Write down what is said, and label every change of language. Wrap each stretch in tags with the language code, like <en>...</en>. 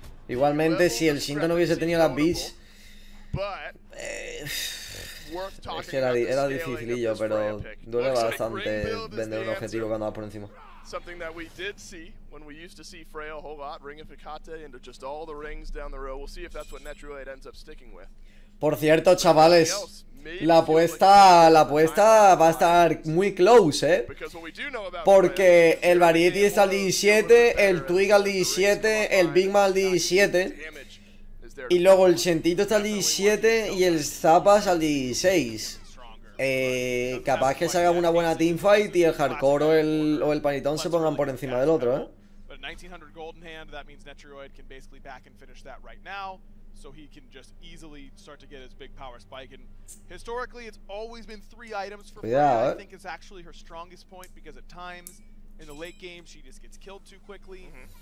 <es>Igualmente, si el Shinto no hubiese tenido las beats, es que era dificilillo, pero duele bastante vender un objetivo cuando va por encima.</es> <en>Something that we did see when we used to see Frey a whole lot, Ring of Hecate into just all the rings down the row. We'll see if that's what Netrioid ends up sticking with.</en> <es>Por cierto, chavales, la apuesta va a estar muy close, porque el Variety está al 17, el Twig al 17, el Big Man al 17. Y luego el Shentito está al 17 y el Zapas al 16. Capaz que se haga una buena teamfight y el Hardcore o el Panitón se pongan por encima del otro,</es> <en>But 1900 golden hand, that means Netrioid can basically back and finish that right now. So he can just easily start to get his big power spike. And historically, it's always been three items for Freya. I think it's actually her strongest point because at times in the late game, she just gets killed too quickly. Mm-hmm.</en>